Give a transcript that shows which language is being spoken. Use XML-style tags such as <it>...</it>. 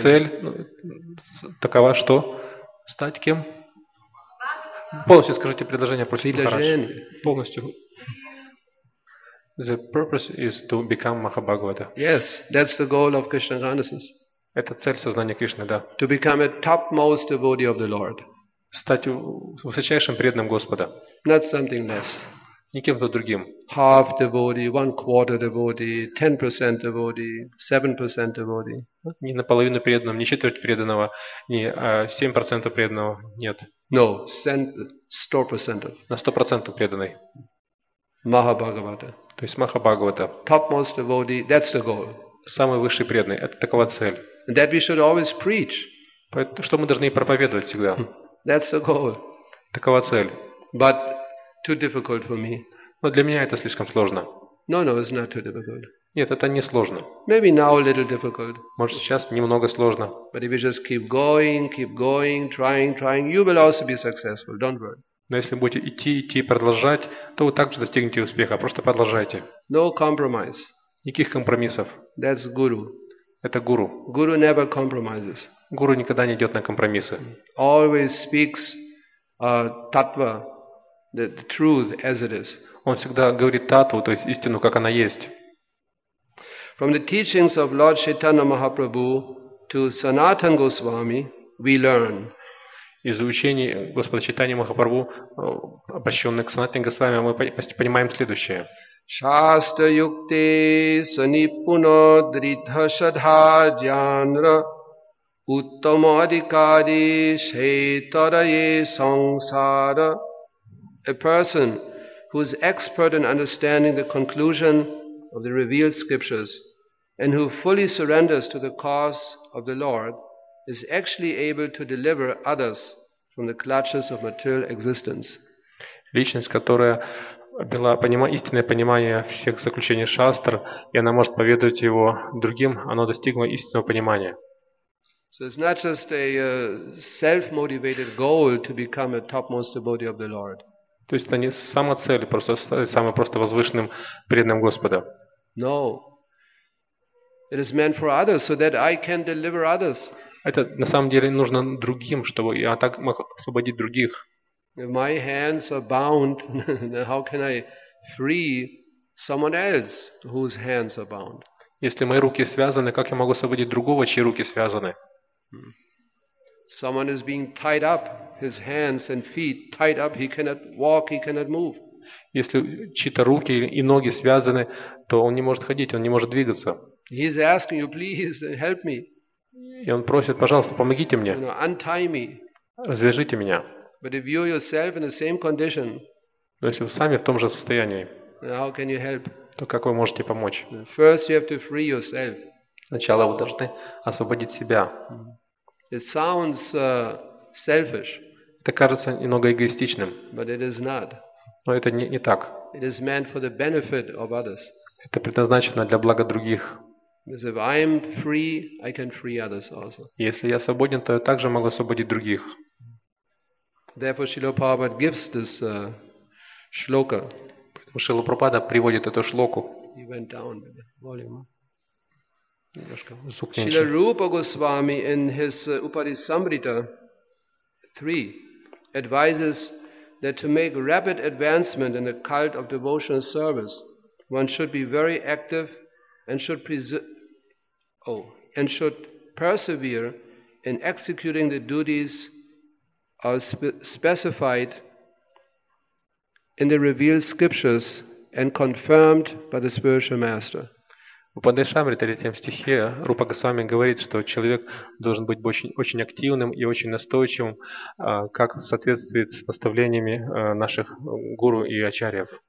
<ru>Цель такова, что? Стать кем? Полностью скажите предложение, просите хорошо. Полностью.</ru> <en>The purpose is to become Mahabhagavata. Yes, that's the goal of Krishna consciousness.</en> <ru>Это цель сознания Кришны, да.</ru> <en>To become a topmost devotee of the Lord.</en> <ru>Стать высочайшим преданным Господа.</ru> <en>Not something less.</en> <ru>Не кем-то другим.</ru> <en>Half devotee, one quarter devotee, 10% devotee, 7% devotee.</en> <ru>Не наполовину преданным, не четверть преданного, не 7% преданного, нет.</ru> <en>No, 100%.</en> <ru>На 100% преданный.</ru> <en>Mahabhagavata.</en> <ru>То есть Махабхагавата.</ru> <en>Topmost devotee, that's the goal.</en> <ru>Самый высший преданный, это такова цель.</ru> <en>That we should always preach.</en> <ru>Что мы должны проповедовать всегда.</ru> <en>That's the goal.</en> <ru>Такова цель.</ru> <en>But too difficult for me.</en> <ru>Но для меня это слишком сложно.</ru> <en>No, it's not too difficult.</en> <ru>Нет, это не сложно.</ru> <en>Maybe now a little difficult.</en> <ru>Может, сейчас немного сложно.</ru> <en>But if you just keep going, trying, you will also be successful. Don't worry.</en> <ru>Но если будете идти, идти и продолжать, то вы также достигнете успеха. Просто продолжайте.</ru> <en>No compromise.</en> <ru>Никаких компромиссов.</ru> <en>That's guru.</en> <ru>Это гуру.</ru> <en>Guru never compromises.</en> <ru>Гуру никогда не идет на компромиссы.</ru> <en>Always speaks tattva, the truth as it is.</en> <ru>Он всегда говорит татву, то есть истину, как она есть.</ru> <en>From the teachings of Lord Chaitanya Mahaprabhu to Sanatana Goswami, we learn.</en> <ru>Из учений Господа Чайтаньи Махапрабху, обращенных к Санатане Госвами, мы понимаем следующее.</ru> <sa>Шаста юкте санипуно дритха шадха джанра уттама адикари шейтарае сансара.</sa> <en>A person who is expert in understanding the conclusion of the revealed scriptures and who fully surrenders to the cause of the Lord is actually able to deliver others from the clutches of material existence.</en> <ru>Личность, которая обрела истинное понимание всех заключений шастр, и она может поведать его другим, она достигла истинного понимания.</ru> <en>So it's not just a self-motivated goal to become a topmost devotee of the Lord.</en> <ru>То есть это не сама цель, просто стать самым просто возвышенным преданным Господа.</ru> <en>No. It is meant for others, so that I can deliver others.</en> <ru>Это на самом деле нужно другим, чтобы я так мог освободить других.</ru> <en>If my hands are bound, how can I free someone else whose hands are bound?</en> <ru>Если мои руки связаны, как я могу освободить другого, чьи руки связаны?</ru> <en>Someone is being tied up, his hands and feet tied up, he cannot walk, he cannot move.</en> <ru>Если чьи-то руки и ноги связаны, то он не может ходить, он не может двигаться.</ru> <en>He is asking you, please help me.</en> <ru>И он просит, пожалуйста, помогите мне.</ru> <en>Untie me.</en> <ru>Развяжите меня.</ru> <en>But if you yourself in the same condition,</en> <ru>но если вы сами в том же состоянии,</ru> <en>how can you help?</en> <ru>То как вы можете помочь?</ru> <en>First you have to free yourself.</en> <ru>Сначала вы должны освободить себя.</ru> <en>It sounds selfish.</en> <ru>Это кажется немного эгоистичным.</ru> <en>But it is not.</en> <ru>Но это не так.</ru> <en>It is meant for the benefit of others.</en> <ru>Это предназначено для блага других.</ru> <en>Because if I am free, I can free others also.</en> <ru>Если я свободен, то я также могу освободить других.</ru> <en>Therefore, Srila Prabhupada gives this shloka.</en> <ru>Поэтому Шрила Прабхупада приводит эту шлоку.</ru> <en>He went down with the volume.</en> <ru>Немножко звук меньше.</ru> <en>Srila Rupa Goswami in his Upadisamrita 3 advises that to make rapid advancement in the cult of devotional service, one should be very active and should persevere in executing the duties as specified in the revealed scriptures and confirmed by the spiritual master.</en> <ru>В Упанишадах, в 3-м стихе, Рупа Госвами говорит, что человек должен быть очень, очень активным и очень настойчивым, как в соответствии с наставлениями наших гуру и ачарьев.</ru>